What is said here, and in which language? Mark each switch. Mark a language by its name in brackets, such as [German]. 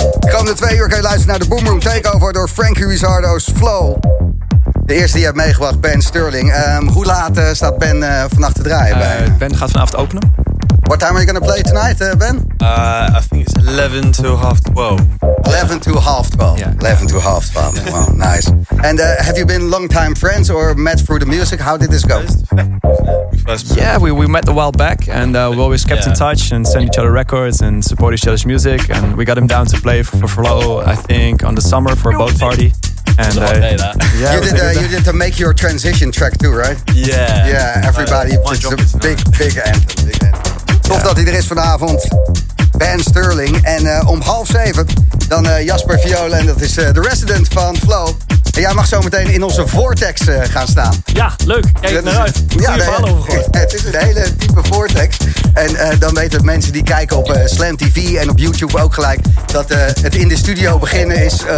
[Dutch] De komende 2 uur kan je luisteren naar de Boom Room Takeover door Frankie Rizzardo's Flow. De eerste die je hebt meegebracht, Ben Sterling. Hoe laat staat Ben vannacht te draaien? Ben gaat vanavond openen. [English] What time are you going to play tonight, Ben? I think it's 11 to half 12. 11 to half 12. Yeah. 11 to half 12. Yeah. Wow, nice. And have you been long-time friends or met through the music? How did this go? Yeah, we met a while back and we always kept in touch and sent each other records and support each other's music. And we got him down to play for Flow, I think, on the summer for a boat party. And You did to make your transition track too, right? Yeah. Yeah, everybody. It's a big anthem. [Dutch] Tof dat hij er is vanavond. Ben Sterling. En om 6:30 dan Jasper Viola. En dat is de resident van Flow. En jij mag zometeen in onze vortex gaan staan. Ja, leuk. Kijk naar uit. Ja, het is een hele diepe vortex. En dan weten mensen die kijken op Slam TV en op YouTube ook gelijk dat het in de studio beginnen is.